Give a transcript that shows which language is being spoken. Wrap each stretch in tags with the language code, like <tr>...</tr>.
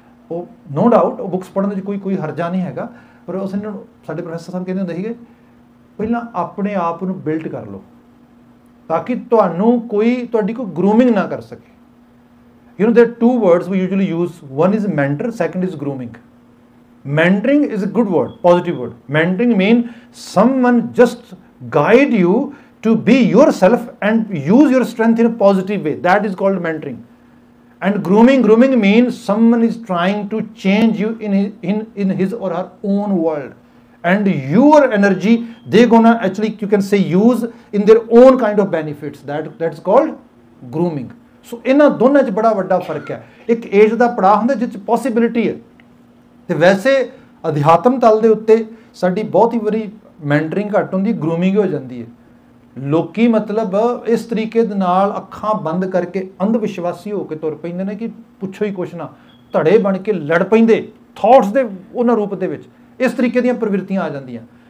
<pa>ਉਹ no doubt ਉਹ books ਪੜ੍ਹਨ 'ਚ ਕੋਈ ਹਰਜਾ ਨਹੀਂ ਹੈਗਾ, ਪਰ ਉਸ ਨੂੰ ਸਾਡੇ ਪ੍ਰੋਫੈਸਰ ਸਾਹਿਬ ਕਹਿੰਦੇ ਹੁੰਦੇ ਸੀਗੇ ਪਹਿਲਾਂ ਆਪਣੇ ਆਪ ਨੂੰ ਬਿਲਟ ਕਰ ਲਓ ਤਾਂ ਕਿ ਤੁਹਾਨੂੰ ਕੋਈ ਤੁਹਾਡੀ ਕੋਈ ਗਰੂਮਿੰਗ ਨਾ ਕਰ ਸਕੇ।</pa> <en>You know the two words we usually use, one is mentor, second is grooming. Mentoring is a good word, positive word. Mentoring mean someone just guide you to be yourself and use your strength in a positive way. That is called mentoring. And grooming means someone is trying to change you in his or her own world. And your energy, they're gonna actually, you can say, use in their own kind of benefits. That's called grooming.</en> <pa>So, ਇਹਨਾਂ ਦੋਨਾਂ 'ਚ ਬੜਾ ਵੱਡਾ ਫਰਕ ਹੈ। ਇੱਕ age ਦਾ ਪੜਾਅ ਹੁੰਦਾ ਜਿਸ 'ਚ ਪੋਸੀਬਿਲਿਟੀ ਹੈ, ਅਤੇ ਵੈਸੇ ਅਧਿਆਤਮ ਤਲ ਦੇ ਉੱਤੇ ਸਾਡੀ ਬਹੁਤ ਹੀ ਵਾਰੀ ਮੈਂਟਰਿੰਗ ਘੱਟ ਹੁੰਦੀ, ਗਰੂਮਿੰਗ ਹੋ ਜਾਂਦੀ ਹੈ। ਲੋਕ ਮਤਲਬ ਇਸ ਤਰੀਕੇ ਦੇ ਨਾਲ ਅੱਖਾਂ ਬੰਦ ਕਰਕੇ ਅੰਧ ਵਿਸ਼ਵਾਸੀ ਹੋ ਕੇ ਤੁਰ ਪੈਂਦੇ ਨੇ ਕਿ ਪੁੱਛੋ ਹੀ ਕੁਛ ਨਾ, ਧੜੇ ਬਣ ਕੇ ਲੜ ਪੈਂਦੇ ਥੋਟਸ ਦੇ ਉਹਨਾਂ ਰੂਪ ਦੇ ਵਿੱਚ, ਇਸ ਤਰੀਕੇ ਦੀਆਂ ਪ੍ਰਵਿਰਤੀਆਂ ਆ ਜਾਂਦੀਆਂ।</pa>